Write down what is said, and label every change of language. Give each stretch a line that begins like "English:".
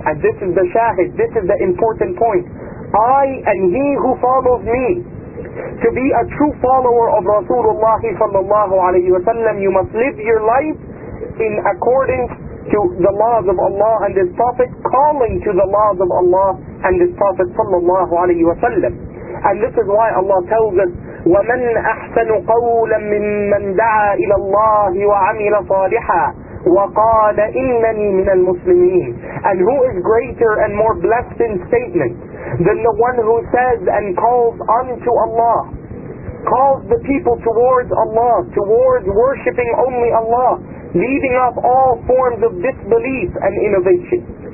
English: And this is the shahid, this is the important point. I and he who follows me. To be a true follower of Rasulullah sallallahu alayhi wa sallam, you must live your life in accordance to the laws of Allah and His Prophet, calling to the laws of Allah and His Prophet sallallahu alayhi wa sallam. And this is why Allah tells us,
Arabic: وَمَنْ أَحْسَنُ قَوْلًا مِّمَّنْ دَعَى إِلَى اللَّهِ وَعَمِلَ صَالِحًا وَقَالَ إِنَّنِي مِنَ الْمُسْلِمِينَ.
English: And who is greater and more blessed in statement than the one who says and calls unto Allah, calls the people towards Allah, towards worshipping only Allah, leaving off all forms of disbelief and innovation.